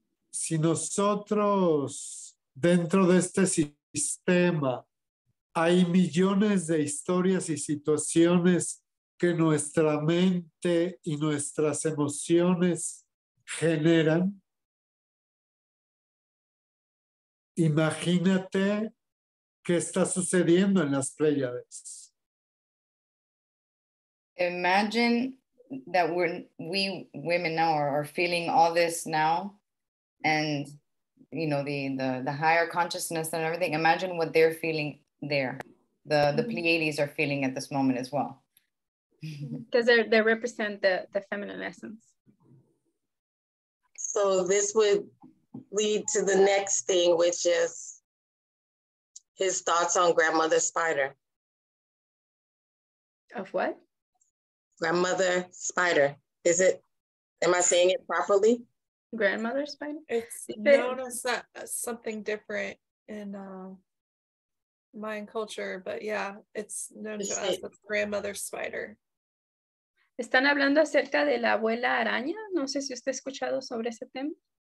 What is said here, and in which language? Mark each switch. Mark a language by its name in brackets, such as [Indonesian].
[Spanish] Si nosotros dentro de este sistema hay millones de historias y situaciones que nuestra mente y nuestras emociones generan, imagínate qué está sucediendo en las Pléyades. [English] Imagine that we women now are feeling all this now. And you know the higher consciousness and everything. Imagine what they're feeling there. The Pleiades are feeling at this moment as well. Because they represent the feminine essence. So this would lead to the next thing, which is his thoughts on Grandmother Spider. Of what? Grandmother Spider. Am I saying it properly? grandmother spider? It's known as something different in Mayan culture, but yeah, it's known to us as grandmother spider. [Spanish] ¿Están hablando acerca de la abuela araña? No sé si usted ha escuchado sobre ese tema.